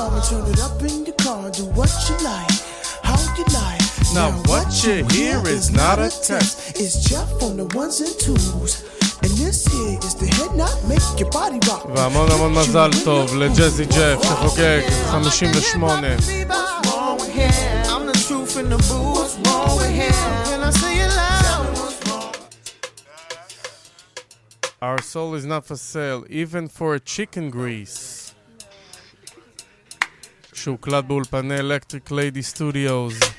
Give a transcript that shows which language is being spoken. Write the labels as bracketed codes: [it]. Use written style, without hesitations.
[en] Turn it up in your car, do what you like, how you like. Now what you hear is not a test. It's Jeff on the ones and twos, and this here is the head knock, make your body rock. [he] והמון המון מזל טוב לג'אזי ג'אף שחוגג 58. [en] What's wrong with him? I'm the truth in the booth. What's wrong with him? Can I say it loud? Our soul is not for sale, even for a chicken grease. [he] שהוקלט באולפני Electric Lady Studios.